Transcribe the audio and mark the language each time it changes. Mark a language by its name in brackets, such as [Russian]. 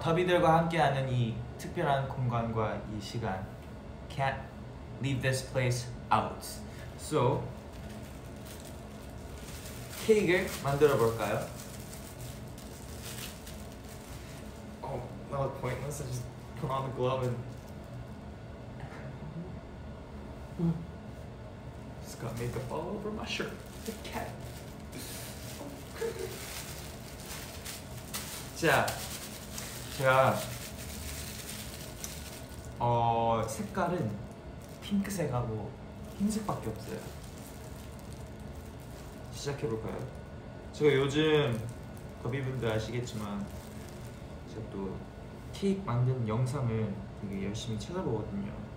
[Korean] 더비들과 함께하는 이 특별한 공간과 이 시간. [English] Can't leave this place out. [Korean] So, 케이크를 만들어 볼까요? [English] Pointless, I just put on the glove and just got makeup all over my shirt. The cat. [Korean] 자, 제가 어 색깔은 핑크색하고 흰색밖에 없어요. 시작해 볼까요? 제가 요즘 더비분들 아시겠지만 제가 또 케이크 만드는 영상을 되게 열심히 찾아보거든요.